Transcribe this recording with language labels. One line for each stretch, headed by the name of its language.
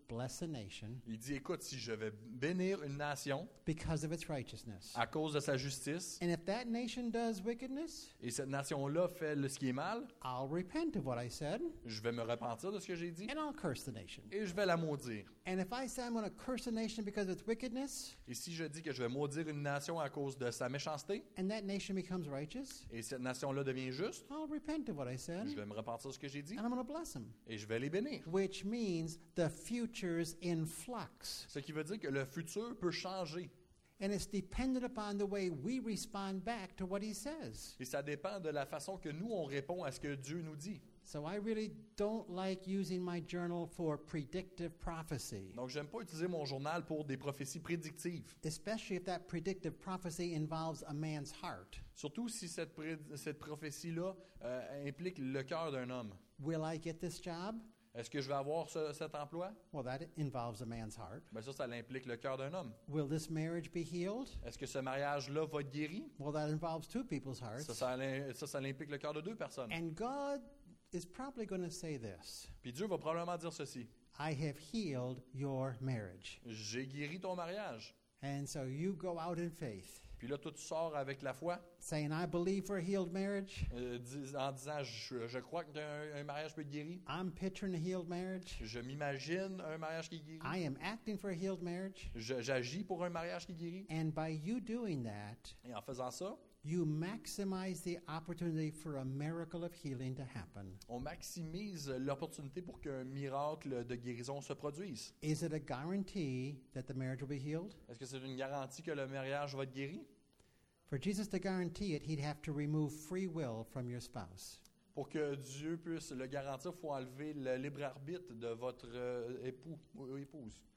English: bless a nation.
French: Il dit, écoute, si je vais bénir une nation,
English: because of its righteousness.
French: À cause de sa justice.
English: And if that nation does wickedness,
French: et cette nation-là fait ce qui est mal,
English: I'll repent of what I said.
French: Je vais me repentir de ce que j'ai dit.
English: And I'll curse the nation.
French: Et je vais la maudire.
English: And if I say I'm going to curse a nation because of its wickedness,
French: et si je dis que je vais maudire une nation à cause de sa méchanceté,
English: and that nation becomes righteous,
French: et cette nation-là devient juste,
English: I'll repent of what I said.
French: Je vais me repentir de ce que j'ai dit.
English: And I'm going to bless them.
French: Et je vais les bénir.
English: Which means the future's in flux.
French: Ce qui veut dire que le futur peut changer.
English: And it's dependent upon the way we respond back to what he says.
French: Et ça dépend de la façon que nous on répond à ce que Dieu nous dit.
English: So I really don't like using my journal for predictive prophecy.
French: Donc j'aime pas utiliser mon journal pour des prophéties prédictives.
English: Especially if that predictive prophecy involves a man's heart.
French: Surtout si cette prophétie là implique le cœur d'un homme.
English: Will I get this job?
French: Est-ce que je vais avoir cet emploi?
English: Well, that involves a man's heart.
French: Ben ça implique le cœur d'un homme.
English: Will this marriage be healed?
French: Est-ce que ce mariage-là va être guéri?
English: Well, that involves two people's hearts.
French: Ça implique le cœur de deux personnes.
English: And God is probably going to say this.
French: Puis Dieu va probablement dire ceci.
English: I have healed your marriage.
French: J'ai guéri ton mariage.
English: And so you go out in faith.
French: Puis là, toi, tu sors avec la foi.
English: Saying, I believe for a healed marriage.
French: En disant, je crois qu'un mariage peut être guéri.
English: I'm picturing a healed marriage.
French: Je m'imagine un mariage qui est guéri.
English: I am acting for a healed marriage.
French: J'agis pour un mariage qui est guéri.
English: And by you doing that,
French: et en faisant ça,
English: you maximize the opportunity for a miracle of healing to happen.
French: On maximise l'opportunité pour qu'un miracle de guérison se produise.
English: Is it a guarantee that the marriage will be healed?
French: Est-ce que c'est une garantie que le mariage va être guéri?
English: For Jesus to guarantee it, he'd have to remove free will from your spouse.
French: Pour que Dieu puisse le garantir, il faut enlever le libre arbitre de votre époux ou épouse.